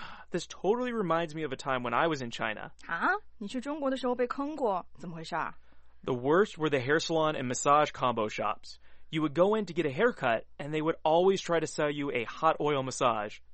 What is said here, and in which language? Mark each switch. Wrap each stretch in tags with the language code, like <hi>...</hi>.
<en>This totally reminds me of a time when I was in China. Huh?</en> <zh>你去中国的时候被坑过，怎么回事？</zh> <en>The worst were the hair salon and massage combo shops. You would go in to get a haircut, and they would always try to sell you a hot oil massage.</en>